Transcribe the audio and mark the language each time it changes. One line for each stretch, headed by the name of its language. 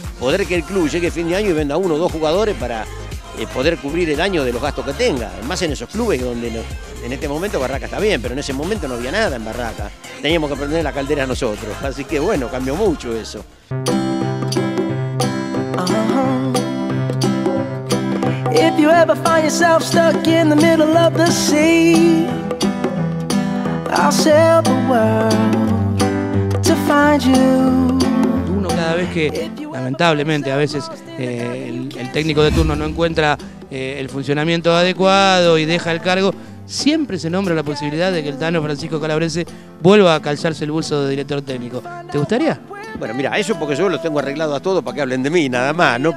Spanish: Poder que el club llegue fin de año y venda 1 o 2 jugadores para poder cubrir el año de los gastos que tenga. Más en esos clubes donde no, en este momento Barraca está bien, pero en ese momento no había nada en Barraca. Teníamos que prender la caldera nosotros. Así que bueno, cambió mucho eso.
English: If you ever find yourself stuck in the middle of the sea, I'll sail the world to find you.
Spanish: Uno cada vez que, lamentablemente, a veces el técnico de turno no encuentra el funcionamiento adecuado y deja el cargo, siempre se nombra la posibilidad de que el Tano Francisco Calabrese vuelva a calzarse el buzo de director técnico. ¿Te gustaría? Bueno, mira, eso porque yo los tengo arreglados a todos para que hablen de mí, nada más, ¿no?